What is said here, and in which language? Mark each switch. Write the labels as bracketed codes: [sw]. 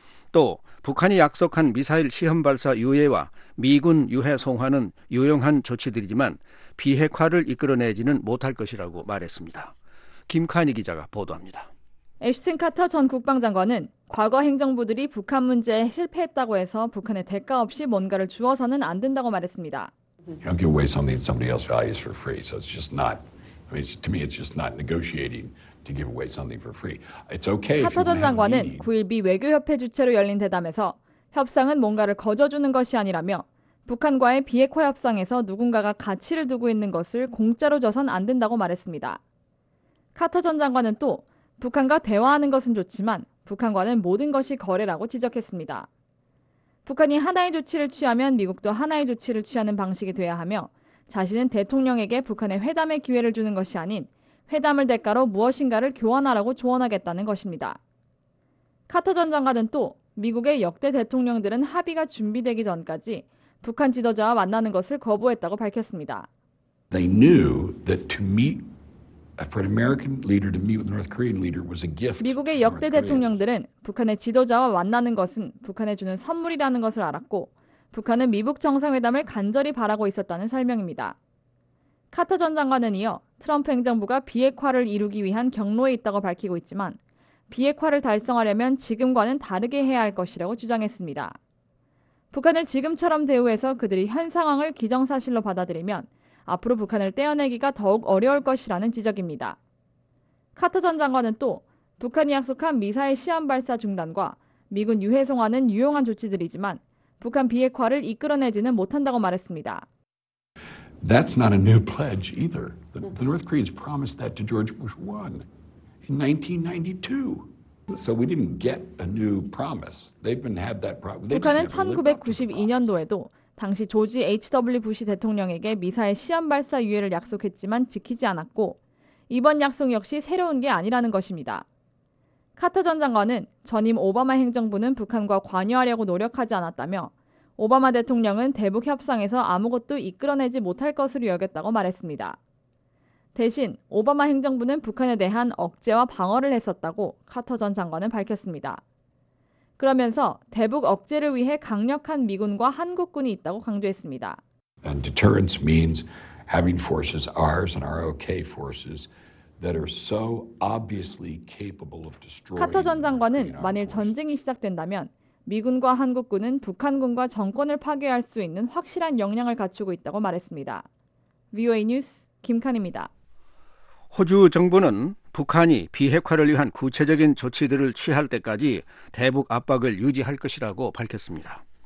[ko] 또 북한이 약속한 미사일 시험 발사 유예와 미군 유해 송환은 유용한 조치들이지만 비핵화를 이끌어내지는 못할 것이라고 말했습니다. 김카니 기자가 보도합니다. 애쉬턴 카터 전 국방장관은 과거 행정부들이 북한 문제에 실패했다고 해서 북한에 대가 없이 뭔가를 주어서는 안 된다고 말했습니다. [en] You don't give away something that somebody else values for free. So it's just not, I mean, to me, it's just not negotiating to give away something for free. It's okay. [ko] 카터 전 장관은 9일 미 외교협회 주최로 열린 대담에서 협상은 뭔가를 거저주는 것이 아니라며 북한과의 비핵화 협상에서 누군가가 가치를 두고 있는 것을 공짜로 줘선 안 된다고 말했습니다. 카터 전 장관은 또 북한과 대화하는 것은 좋지만 북한과는 모든 것이 거래라고 지적했습니다. 북한이 하나의 조치를 취하면 미국도 하나의 조치를 취하는 방식이 돼야 하며 자신은 대통령에게 북한의 회담의 기회를 주는 것이 아닌 회담을 대가로 무엇인가를 교환하라고 조언하겠다는 것입니다. 카터 전 장관은 또 미국의 역대 대통령들은 합의가 준비되기 전까지 북한 지도자와 만나는 것을 거부했다고 밝혔습니다. [en] They knew that to meet for an American leader to meet with North Korean leader was a gift. [ko] 미국의 역대 대통령들은 북한의 지도자와 만나는 것은 북한에 주는 선물이라는 것을 알았고 북한은 미북 정상회담을 간절히 바라고 있었다는 설명입니다. 카터 전 장관은 이어 트럼프 행정부가 비핵화를 이루기 위한 경로에 있다고 밝히고 있지만 비핵화를 달성하려면 지금과는 다르게 해야 할 것이라고 주장했습니다. 북한을 지금처럼 대우해서 그들이 현 상황을 기정사실로 받아들이면 앞으로 북한을 떼어내기가 더욱 어려울 것이라는 지적입니다. 카터 전 장관은 또 북한이 약속한 미사일 시험 발사 중단과 미군 유해 송환은 유용한 조치들이지만 북한 비핵화를 이끌어내지는 못한다고 말했습니다. [en] That's not a new pledge either. The North Koreans promised that to George Bush 1 in 1992. So we didn't get a new promise. They've been had that promise. [ko] 북한은 1992년도에도 당시 조지 H.W. 부시 대통령에게 미사일 시험 발사 유예를 약속했지만 지키지 않았고 이번 약속 역시 새로운 게 아니라는 것입니다. 카터 전 장관은 전임 오바마 행정부는 북한과 관여하려고 노력하지 않았다며 오바마 대통령은 대북 협상에서 아무것도 이끌어내지 못할 것으로 여겼다고 말했습니다. 대신 오바마 행정부는 북한에 대한 억제와 방어를 했었다고 카터 전 장관은 밝혔습니다. 그러면서 대북 억제를 위해 강력한 미군과 한국군이 있다고 강조했습니다. [en] And deterrence means having forces, ours and ROK forces, that are so obviously capable of destroying. [ko] 카터 전 장관은 만일 전쟁이 시작된다면 미군과 한국군은 북한군과 정권을 파괴할 수 있는 확실한 역량을 갖추고 있다고 말했습니다. VOA 뉴스 김칸입니다. 호주 정부는 북한이 비핵화를 위한 구체적인 조치들을 취할 때까지 대북 압박을 유지할 것이라고 밝혔습니다.